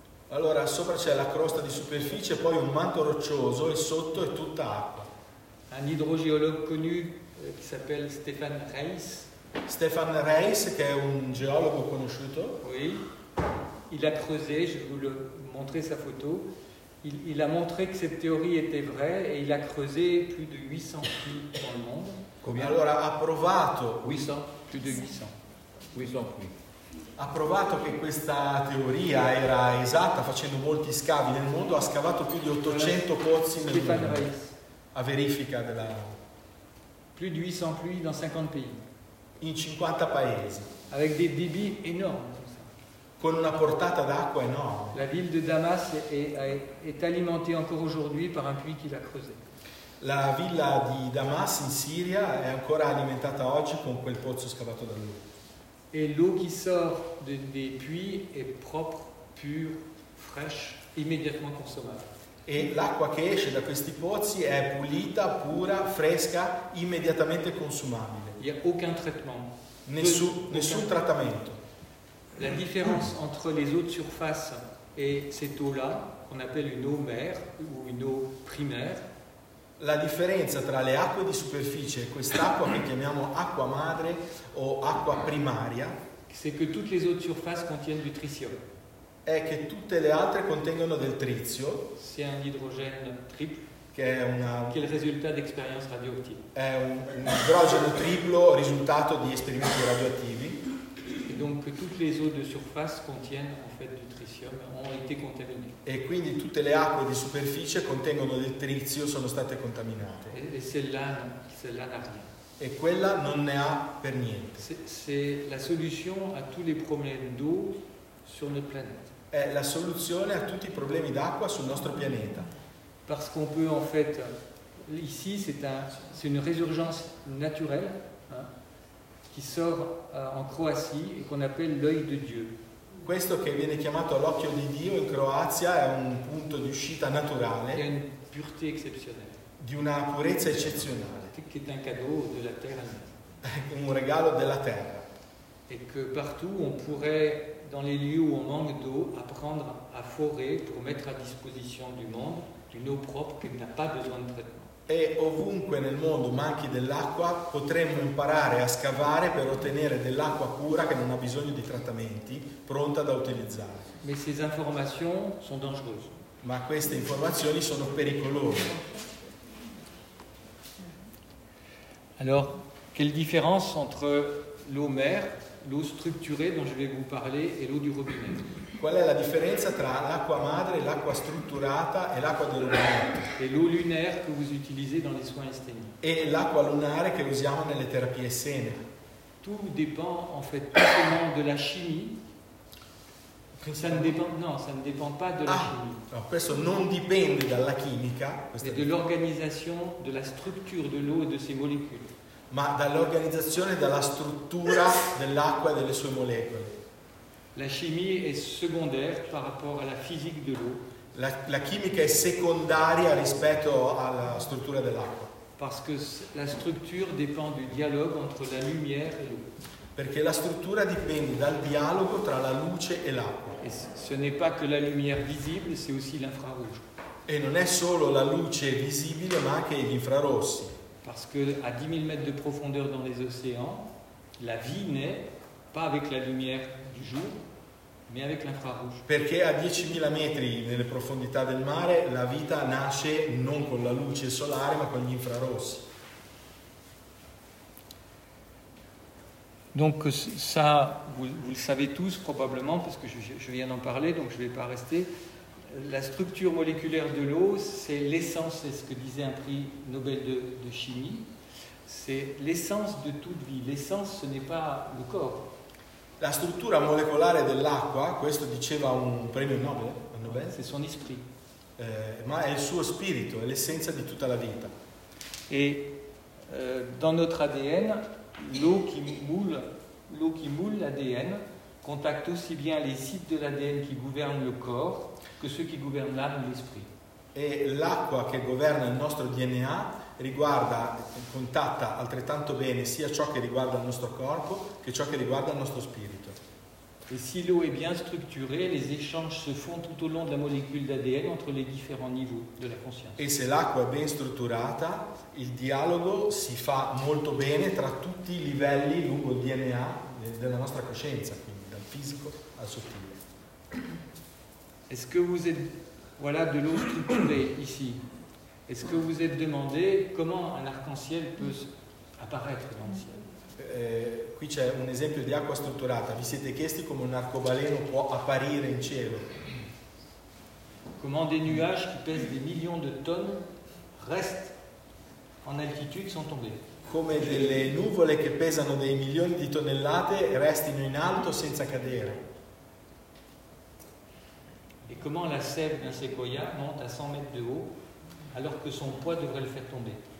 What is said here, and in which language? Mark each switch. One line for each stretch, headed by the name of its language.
Italian: Allora, sopra c'è la crosta di superficie, poi un manto roccioso, e sotto è tutta acqua.
French: Un hydrogéologue connu qui s'appelle Stéphane Reiss.
Italian: Stéphane Reiss, che è un geologo conosciuto.
French: Oui. il a creusé, je vais vous le montrer sa photo, il a montré que cette théorie était vraie et il a creusé plus de 800 puits dans le monde. Combien?
Italian: Allora ha provato
French: 800, plus de 800. 800 puits.
Italian: Ha provato che questa teoria era esatta facendo molti scavi nel mondo, ha scavato più di 800 pozzi nel mondo. A verifica della
French: plus de 800 puits dans 50 pays.
Italian: In 50 paesi.
French: Avec des débits énormes.
Italian: Con una portata d'acqua enorme.
French: La ville de Damas est alimentée encore aujourd'hui par un puits qu'il a creusé.
Italian: La villa di Damas in Siria è ancora alimentata oggi con quel pozzo scavato da lui.
French: Et l'eau qui sort des puits est propre, pure, fraîche, immédiatement consommable.
Italian: E l'acqua che esce da questi pozzi è pulita, pura, fresca, immediatamente consumabile.
French: Il n'y a aucun traitement.
Italian: Nessun trattamento.
French: La différence entre les eaux de surface et cette eau-là, qu'on appelle une eau mère ou une eau primaire.
Italian: La differenza tra le acque di superficie e quest'acqua che chiamiamo acqua madre o acqua primaria,
French: c'est que toutes les eaux de surface contiennent du tritium.
Italian: È che tutte le altre contengono del trizio.
French: C'est un hydrogène triple.
Italian: Che è una. Che è il risultato di esperienze radioattive. È un idrogeno triplo risultato di esperimenti radioattivi.
French: Donc toutes les eaux de surface contiennent en fait du tritium ont été contaminées.
Italian: Et quindi tutte le acque di superficie contengono del trizio sono state contaminate.
French: Et celle-là n'a rien.
Italian: E quella non ne ha per niente.
French: C'est la solution à tous les problèmes d'eau sur notre planète.
Italian: È la soluzione a tutti i problemi d'acqua sul nostro pianeta.
French: Parce qu'on peut en fait ici c'est une résurgence naturelle. Qui sort en Croatie et qu'on appelle l'œil de Dieu.
Italian: Questo che viene chiamato l'occhio di Dio in Croazia è un punto di uscita naturale. Di una purezza eccezionale. Di una purezza eccezionale. Che è un
French: cadeau de la terre.
Italian: Un regalo della terra.
French: Et que partout on pourrait, dans les lieux où on manque d'eau, apprendre à forer pour mettre à disposition du monde une eau propre qui n'a pas besoin de traitement.
Italian: E ovunque nel mondo manchi dell'acqua, potremmo imparare a scavare per ottenere dell'acqua pura che non ha bisogno di trattamenti, pronta da utilizzare.
French: Mais ces informations sont dangereuses.
Italian: Ma queste informazioni sono pericolose.
French: Alors, quelle différence entre l'eau mère, l'eau structurée dont je vais vous parler, et l'eau du robinet?
Italian: Qual è la differenza tra l'acqua madre, l'acqua strutturata e l'acqua del rubinetto?
French: E l'eau lunaire que vous utilisez dans les soins esthéniques.
Italian: E l'acqua lunare che usiamo nelle terapie esseniche.
French: Tout dépend en fait uniquement de la chimie. Ça ne dépend pas de la chimie.
Italian: Alors, questo non dipende dalla chimica.
French: E de l'organisation de la structure de l'eau et de ses molecules.
Italian: Ma dall'organizzazione della struttura dell'acqua e delle sue molecole.
French: La chimie est secondaire par rapport à la physique de l'eau.
Italian: La chimica è secondaria rispetto alla struttura dell'acqua.
French: Parce que la structure dépend du dialogue entre la lumière et l'eau.
Italian: Perché la struttura dipende dal dialogo tra la luce e l'acqua.
French: Et ce n'est pas que la lumière visible, c'est aussi l'infrarouge.
Italian: E non è solo la luce visibile, ma anche gli infrarossi.
French: Parce que à 10.000 mètres de profondeur dans les océans, la vie naît pas avec la lumière du jour, mais avec l'infrarouge.
Italian: Perché a 10.000 metri nelle profondità del mare la vita nasce non con la luce solare ma con gli infrarossi.
French: Donc ça, vous le savez tous probablement parce que je viens d'en parler, donc je ne vais pas rester. La structure moléculaire de l'eau, c'est l'essence, c'est ce que disait un prix Nobel de chimie. C'est l'essence de toute vie. L'essence, ce n'est pas le corps.
Italian: La struttura molecolare dell'acqua, questo diceva un premio Nobel,
French: c'est son esprit.
Italian: Ma è il suo spirito, è l'essenza di tutta la vita.
French: Et dans notre ADN, l'eau qui moule l'ADN contacte aussi bien les sites de l'ADN qui gouvernent le corps que ceux qui gouvernent l'âme et l'esprit.
Italian: E l'acqua che governa il nostro DNA riguarda e contatta altrettanto bene sia ciò che riguarda il nostro corpo che ciò che riguarda il nostro spirito.
French: Et si l'eau est bien structurée, les échanges se font tout au long de la molécule d'ADN entre les différents niveaux de la conscience.
Italian: E se l'acqua è ben strutturata, il dialogo si fa molto bene tra tutti i livelli lungo il DNA della nostra coscienza, quindi dal fisico al sottile.
French: Est-ce que vous êtes, voilà, de l'eau structurée ici? Est-ce que vous êtes demandé comment un arc-en-ciel peut apparaître dans le ciel?
Italian: Qui c'è un esempio di acqua strutturata. Vi siete chiesti come un arcobaleno può apparire in cielo?
French: Comment des nuages qui pèsent des millions de tonnes restent en altitude sans tomber?
Italian: Come delle nuvole che pesano dei milioni di tonnellate restino in alto senza cadere?
French: Et comment la sève d'un séquoia monte à 100 mètres de haut alors que son poids devrait le faire tomber?